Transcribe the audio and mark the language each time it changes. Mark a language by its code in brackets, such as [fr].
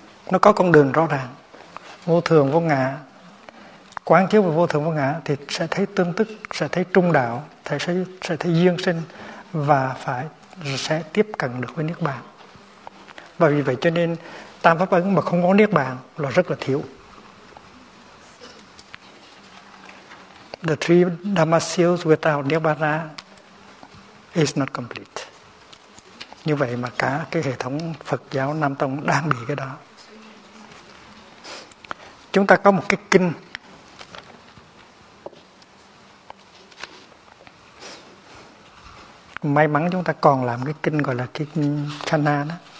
[vi] Nó có con đường rõ ràng, vô thường vô ngã, quán chiếu vào vô thường vô ngã thì sẽ thấy tương tức, sẽ thấy trung đạo, sẽ thấy duyên sinh, và phải sẽ tiếp cận được với niết bàn. Và vì vậy cho nên tam pháp ấn mà không có niết bàn là rất là thiếu. [en] The three dhamma seals without nirvana is not complete. [vi] Như vậy mà cả cái hệ thống Phật giáo Nam Tông đang bị cái đó. Chúng ta có một cái kinh may mắn chúng ta còn làm cái kinh gọi là kinh Khana đó.